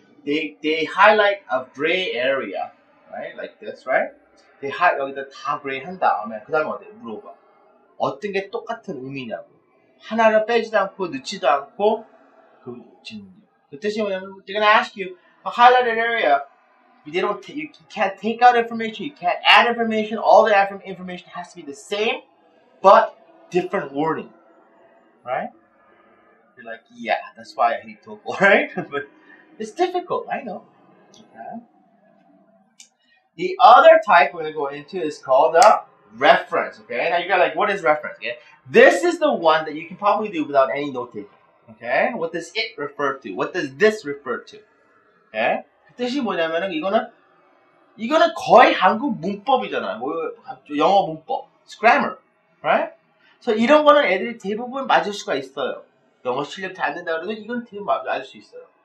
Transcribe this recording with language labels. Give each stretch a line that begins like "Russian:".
English: They highlight a gray area, right? Like this, right? They highlight
Korean: 여기다 다 gray 한 다음에 그 다음에 어디 물어봐. 어떤 게 똑같은 의미냐고. 하나를 빼지도 않고 넣지도 않고 그 질문이. 그 뜻이 뭐냐면
English: they're gonna ask you a highlighted area. You can't take out information, you can't add information, all the information has to be the same, but different wording. Right? You're like, yeah, that's why I hate TOEFL, right? But it's difficult, I know. Okay. The other type we're going to go into is called a reference, okay? Now you're like, what is reference? Okay? This is the one that you can probably do without any note-taking, okay? What does it refer to? What does this refer to? Okay?
Korean: 뜻이 뭐냐면은 이거는 거의 한국 문법이잖아. 뭐 영어 문법, grammar, right? 그래서 이런 거는 애들이 대부분 맞을 수가 있어요. 영어 실력 잘 안 된다 그러면 이건 대부분 맞을 수 있어요.